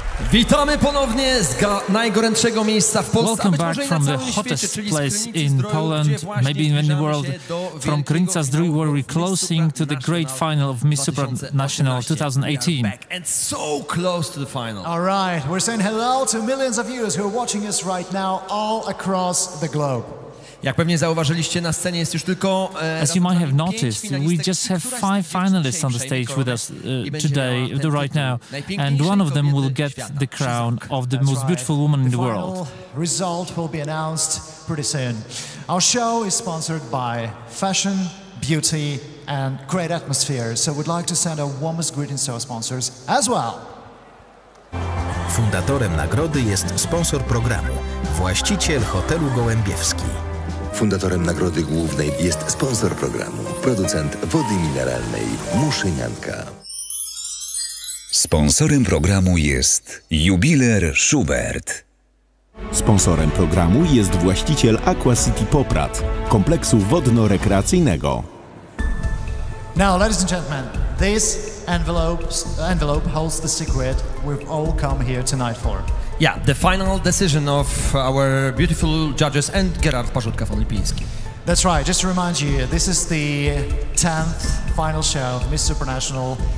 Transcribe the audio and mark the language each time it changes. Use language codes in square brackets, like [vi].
[pl] Witamy ponownie z najgorętszego miejsca w Polsce. [en] Welcome back from the hottest place in Poland, maybe in the world, from Krynica Zdrój, where we're closing to the great final of Miss Supranational 2018. And so close to the final. All right, we're saying hello to millions of viewers who are watching us right now all across the globe. [pl] Jak pewnie zauważyliście, na scenie jest już tylko [en] as you might have noticed, we just have five finalists on the stage with us today, right now, and one of them will get the crown of the most beautiful woman in the world. The result will be announced pretty soon. Our show is sponsored by fashion, beauty, and great atmosphere, so we'd like to send our warmest greetings to our sponsors as well. [pl] Fundatorem nagrody jest sponsor programu, właściciel hotelu Gołębiewski. Fundatorem nagrody głównej jest sponsor programu, producent wody mineralnej Muszynianka. Sponsorem programu jest jubiler Schubert. Sponsorem programu jest właściciel Aqua City Poprad, kompleksu wodno-rekreacyjnego. [en] Now, ladies and gentlemen, this envelope holds the secret we've all come here tonight for. Yeah, the final decision of our beautiful judges and Gerard Parzutkow Olimpijski. That's right, just to remind you, this is the 10th final show of Miss Supranational.